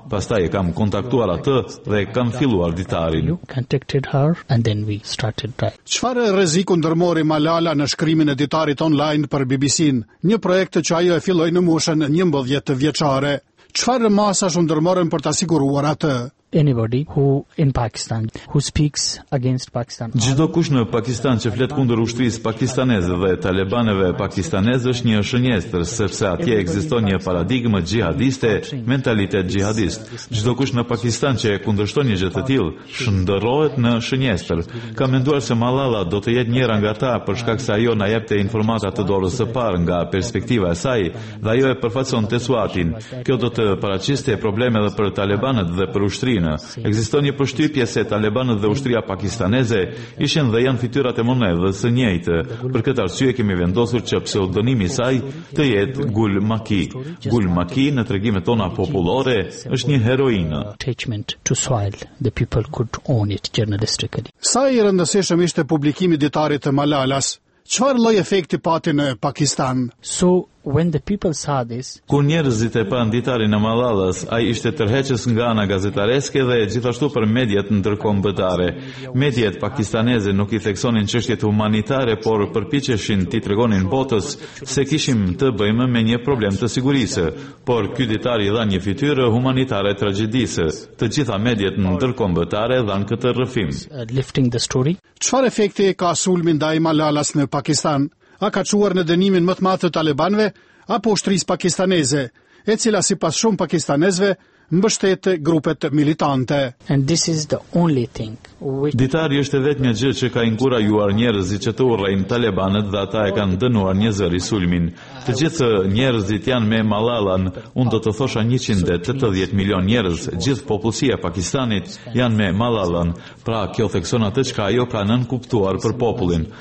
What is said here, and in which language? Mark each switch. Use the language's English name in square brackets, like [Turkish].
[Albanian] Pastaj e kam kontaktuar atë dhe kam filluar ditarin. Çfarë rreziku ndërmori Malala në shkrimin e ditarit online për BBC-n, një projekt që ajo e filloi në moshën 11 vjeçare. Çfarë masash u ndërmorën për ta siguruar atë? [English] Anybody who in Pakistan who speaks against Pakistan. [Albanian] Çdo kush në Pakistan që flet kundër ushtrisë pakistaneze dhe talebaneve pakistaneze është një shënjestër sepse atje ekziston një paradigmë xhihadiste, mentalitet xhihadist. Çdo kush në Pakistan që e kundërshton një gjë të tillë shndërrohet në shënjestër. Kam menduar se Malala do të jetë njëra nga ata për shkak se ajo na jepte informata të dorës së parë nga perspektiva e saj dhe ajo e përfaqësonte Swatin. Kjo do të paraqiste probleme edhe për talebanët dhe për ushtrinë. Ekziston një përshtypje se talibanët dhe ushtria pakistaneze ishin dhe janë fytyrat e monedhës së njëjtë. Për këtë arsye kemi vendosur që pseudonimi i saj të jetë Gul Maki. Gul Maki në tregimet tona popullore është një heroinë. Sa i rëndësishëm ishte publikimi ditarit të Malalas? Çfarë lloj efekti pati në Pakistan? [English] So when the people saw this, [Albanian] kur njerëzit e pan ditarin e Malalas, ai ishte tërheqës nga ana gazetareske dhe gjithashtu për mediat ndërkombëtare. Mediat pakistaneze nuk i theksonin çështjet humanitare, por përpiqeshin t'i tregonin botës se kishim të bëjmë me një problem të sigurisë, por ky ditar i dha një fytyrë humanitare tragjedisë. Të gjitha mediat ndërkombëtare dhan këtë rrëfim. [English] Lifting the story. [Albanian] Çfarë efekti ka sulmi ndaj Malalas në Pakistan? A ka çuar në dënimin më të madh të talibanëve apo ushtrisë pakistaneze, e cila sipas shumë pakistanezve mbështet grupet militante? [English] And this is the only thing which... [Albanian] Ditari është vetëm gjë që ka inkurajuar njerëzit që të urrejnë talibanët dhe ata e kanë dënuar një zëri sulmin. Të gjithë njerëzit janë me Malalan, unë do të thosha 180 milion njerëz, gjithë popullsia e Pakistanit janë me Malalan, pra kjo thekson atë që ajo ka nënkuptuar për popullin.